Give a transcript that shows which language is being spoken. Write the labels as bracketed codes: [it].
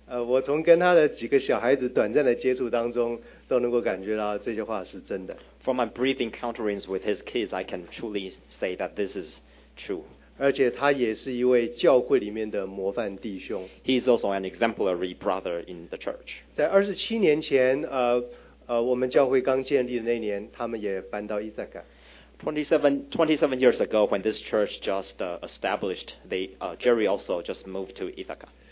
[zh] 我从跟他的几个小孩子短暂的接触当中，都能够感觉到这些话是真的。 [en] From my brief encounterings with his kids, I can truly say that this is. True. [zh] 而且他也是一位教会里面的模范弟兄。 [en] He is also an exemplary brother in the church. [zh] 在二十七年前，我们教会刚建立的那年，他们也搬到伊萨卡。 [en] 27 years ago, when this church just established, Jerry also just moved to Ithaca.